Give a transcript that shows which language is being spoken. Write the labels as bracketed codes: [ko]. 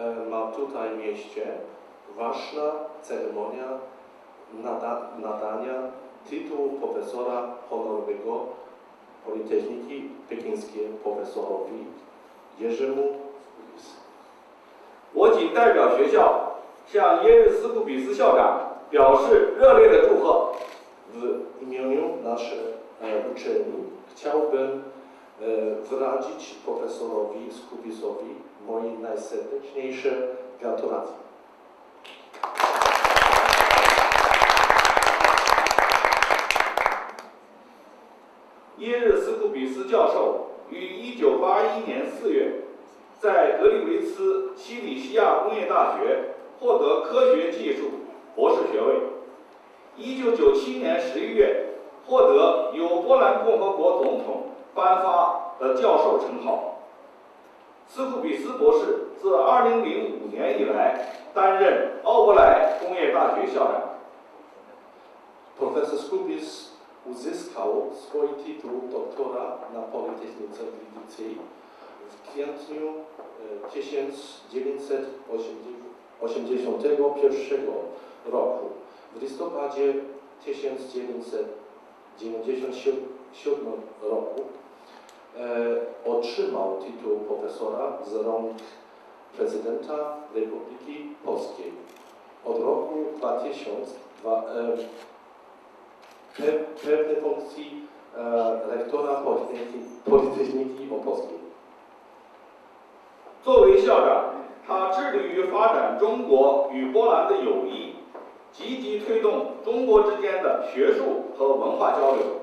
[pl] ma tutaj mieście ważna ceremonia nadania tytułu profesora honorowego Politechniki Pekińskiej profesorowi Jerzemu Skubis. [zh] 我仅代表学校向耶日斯库比斯校长表示热烈的祝贺。 [pl] W imieniu naszej uczelni chciałbym wyrazić profesorowi Skubisowi moje najserdeczniejsze gratulacje. [zh] Jerzy Skubis 教授于1981年4月在格里维茨西里西亚工业大学获得科学技术博士学位。 1997年11月获得由波兰共和国总统颁发的教授称号。斯库比斯博士自2005年以来担任奥波莱工业大学校长。 [pl] Professor Skubis uzyskał swój tytuł doktora na Politechnice Gliwicy w kwietniu 1981 roku. W listopadzie 1997 roku otrzymał tytuł profesora z rąk prezydenta Republiki Polskiej. Od roku 2002 pełnię funkcji rektora Politechniki Opolskiej. [zh] 作为校长，他致力于发展中国与波兰的友谊，积极推动中国之间的学术和文化交流。